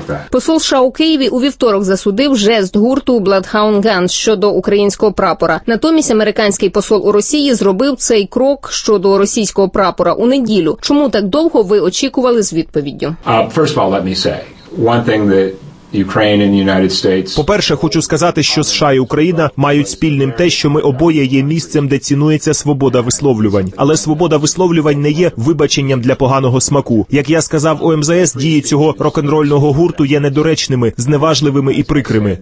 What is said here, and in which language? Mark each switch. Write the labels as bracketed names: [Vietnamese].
[Ukrainian] Посол США у Києві у вівторок засудив жест гурту Bloodhound Gang щодо українського прапора. Натомість американський посол у Росії зробив цей крок щодо російського прапора у неділю. Чому так довго ви очікували з відповіддю? [English] First of all, let me say one thing that Ukraine and United States. [Ukrainian] По-перше, хочу сказати, що США і Україна мають спільним те, що ми обоє є місцем, де цінується свобода висловлювань. Але свобода висловлювань не є вибаченням для поганого смаку. Як я сказав, ОМЗС дії цього рок-н-рольного гурту є недоречними, зневажливими і прикрими.